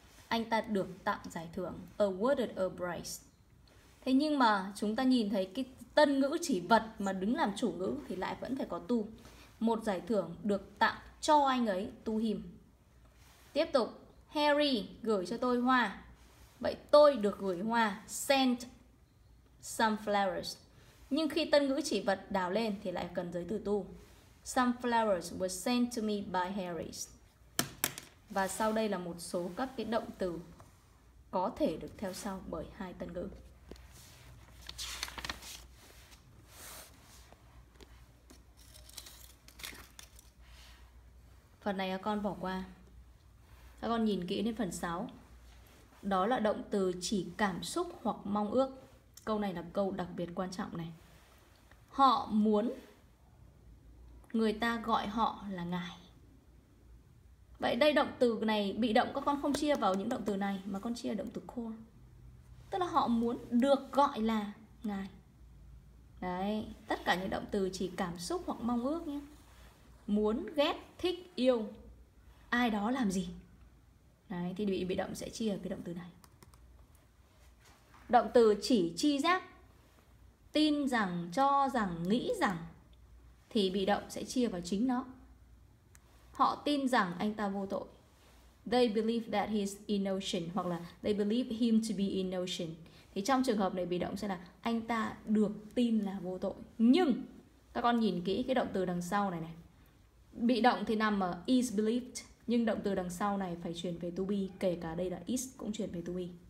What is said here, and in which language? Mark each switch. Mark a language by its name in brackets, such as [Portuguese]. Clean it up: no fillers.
[Vietnamese] Anh ta được tặng giải thưởng, [English] awarded a prize. [Vietnamese] Thế nhưng mà chúng ta nhìn thấy cái tân ngữ chỉ vật mà đứng làm chủ ngữ thì lại vẫn phải có to. Một giải thưởng được tặng cho anh ấy, [English] to him. [Vietnamese] Tiếp tục, Harry gửi cho tôi hoa. Vậy tôi được gửi hoa, [English] sent some flowers. [Vietnamese] Nhưng khi tân ngữ chỉ vật đào lên thì lại cần giới từ to. [English] Some flowers were sent to me by Harry. [Vietnamese] Và sau đây là một số các cái động từ có thể được theo sau bởi hai tân ngữ. Phần này con bỏ qua. Các con nhìn kỹ đến phần 6. Đó là động từ chỉ cảm xúc hoặc mong ước. Câu này là câu đặc biệt quan trọng này. Họ muốn người ta gọi họ là ngài. Vậy đây động từ này bị động, các con không chia vào những động từ này mà con chia động từ call. Tức là họ muốn được gọi là ngài. Đấy, tất cả những động từ chỉ cảm xúc hoặc mong ước nhé. Muốn, ghét, thích, yêu ai đó làm gì. Đấy, thì bị động sẽ chia cái động từ này. Động từ chỉ chi giác, tin rằng, cho rằng, nghĩ rằng thì bị động sẽ chia vào chính nó. Họ tin rằng anh ta vô tội. [English] They believe that he is innocent, [Vietnamese] hoặc là [English] they believe him to be innocent. [Vietnamese] Thì trong trường hợp này bị động sẽ là anh ta được tin là vô tội. Nhưng các con nhìn kỹ cái động từ đằng sau này này. Bị động thì nằm ở is believed, Nhưng động từ đằng sau này phải chuyển về to be, kể cả đây là is cũng chuyển về to be.